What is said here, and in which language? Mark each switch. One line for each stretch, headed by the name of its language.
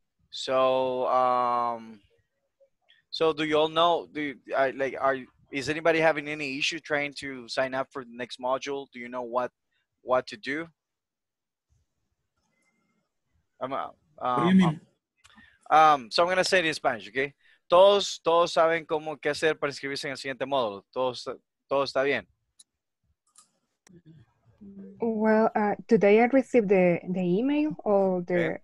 English: So so do you all know, is anybody having any issue trying to sign up for the next module? Do you know what to do? So I'm going to say it in Spanish, okay?
Spanish: Todos saben cómo qué hacer para inscribirse en el siguiente módulo. Todo está bien.
English: Well, today I received the email or the okay.